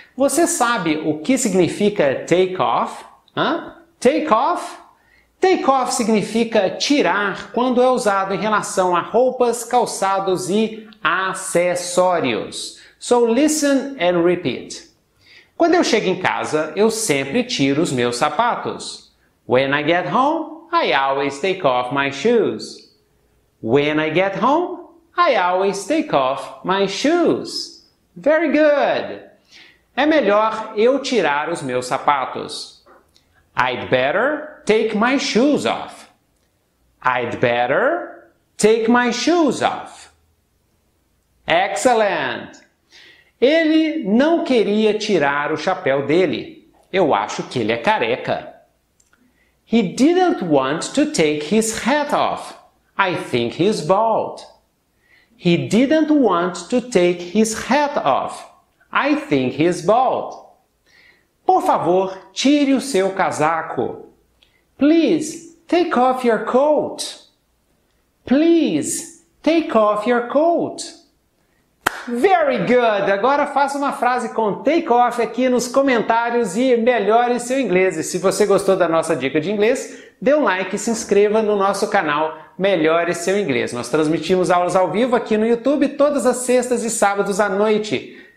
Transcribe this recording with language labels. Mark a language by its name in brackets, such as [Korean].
[Portuguese] Você sabe o que significa take off? Hã? Take off? Take off significa tirar quando é usado em relação a roupas, calçados e acessórios. [English] So listen and repeat. [Portuguese] Quando eu chego em casa, eu sempre tiro os meus sapatos. [English] When I get home, I always take off my shoes. When I get home, I always take off my shoes. Very good. [Portuguese] É melhor eu tirar os meus sapatos. [English] I'd better take my shoes off. I'd better take my shoes off. Excellent. [Portuguese] Ele não queria tirar o chapéu dele. Eu acho que ele é careca. [English] He didn't want to take his hat off. I think he's bald. He didn't want to take his hat off. I think he's bald. [Portuguese] Por favor, tire o seu casaco. [English] Please, take off your coat. Please, take off your coat. Very good! [Portuguese] Agora faça uma frase com take off aqui nos comentários e melhore seu inglês. E se você gostou da nossa dica de inglês, dê um like e se inscreva no nosso canal Melhore Seu Inglês. Nós transmitimos aulas ao vivo aqui no YouTube todas as sextas e sábados à noite.